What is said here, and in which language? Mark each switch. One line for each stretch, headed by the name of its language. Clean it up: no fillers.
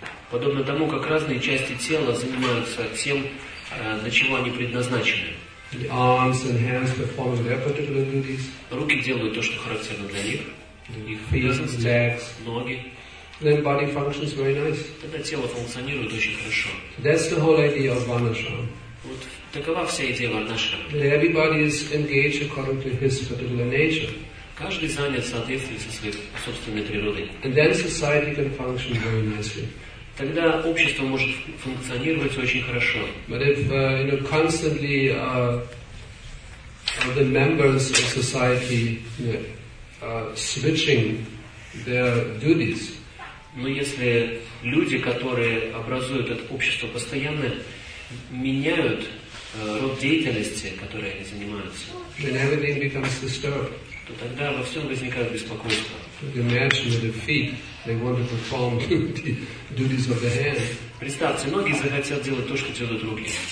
Russian: Подобно тому, как разные части тела занимаются тем, для чего они предназначены.
English: The arms and hands perform their particular duties.
Russian: Руки делают то, что характерно для них.
English: Feet, legs,
Russian: ноги.
English: Then body functions very nice.
Russian: Тогда тело функционирует очень хорошо.
English: That's the whole idea of Varnashram.
Russian: Вот такова вся идея Варнашрама.
English: Everybody is engaged according to his particular nature.
Russian: Каждый занят в соответствии со своей собственной природой.
English: And then society can function very nicely.
Russian: Тогда общество может функционировать очень хорошо.
English: But if you know, constantly the members of society switching their duties.
Russian: Но если люди, которые образуют это общество, постоянно меняют род деятельности, которой они занимаются,
English: then everything becomes disturbed.
Russian: То тогда во всем возникает беспокойство.
English: Imagine the feet, they want to perform the duties of the hand.
Russian: Представьте, ноги захотят делать то, что делают руки.